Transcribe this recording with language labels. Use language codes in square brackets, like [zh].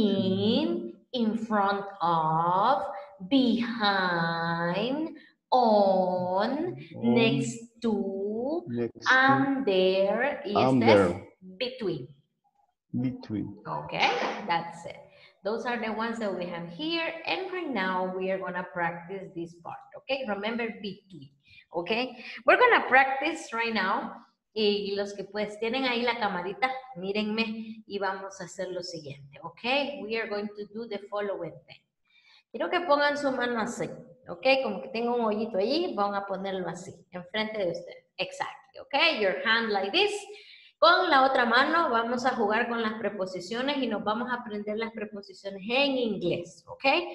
[en] In front of, behind, on, next to, under, under. Between. Between. Okay, that's it. Those are the ones that we have here. And right now, we are going to practice this part. Okay, remember between. Okay, we're going to practice right now. [es] Y los que pues tienen ahí la camarita, mírenme y vamos a hacer lo siguiente. [en] Okay, we are going to do the following thing. [es] Quiero que pongan su mano así, ¿ok? Como que tengo un hoyito ahí, van a ponerlo así, enfrente de usted. Exactly, ¿ok? [en] Your hand like this. [es] Con la otra mano vamos a jugar con las preposiciones y nos vamos a aprender las preposiciones en inglés, ¿ok?